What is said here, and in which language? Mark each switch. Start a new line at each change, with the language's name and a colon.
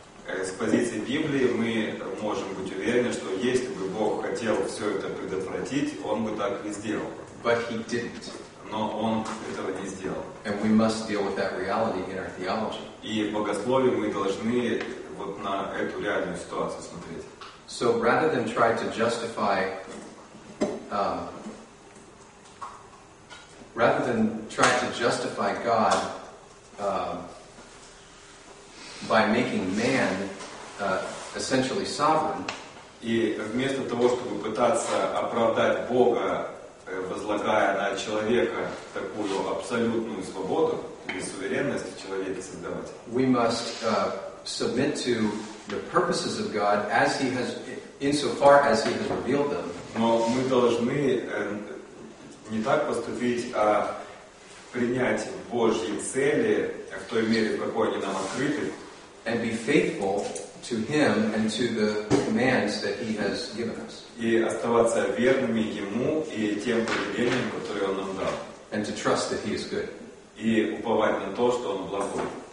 Russian: С позиции Библии мы можем быть уверены, что если бы Бог хотел все это предотвратить, Он бы так и сделал.
English: But He didn't.
Russian: Но Он этого не сделал.
English: And we must deal with that reality in our theology.
Russian: И в богословии мы должны вот на эту реальную ситуацию смотреть.
English: So rather than try to justify God by making man essentially sovereign,
Russian: и вместо того, чтобы пытаться оправдать Бога, возлагая на человека такую абсолютную свободу или суверенность человека создавать,
English: we must submit to the purposes of God as He has, insofar as He has revealed them.
Russian: Но мы должны не так поступить, а принять Божьи цели в той мере, в какой они нам открыты.
English: And be faithful to Him and to the commands that He has given us.
Russian: И оставаться верными Ему и тем повелениям, которые Он нам дал.
English: And to trust that He is good.
Russian: И уповать на то, что Он благой.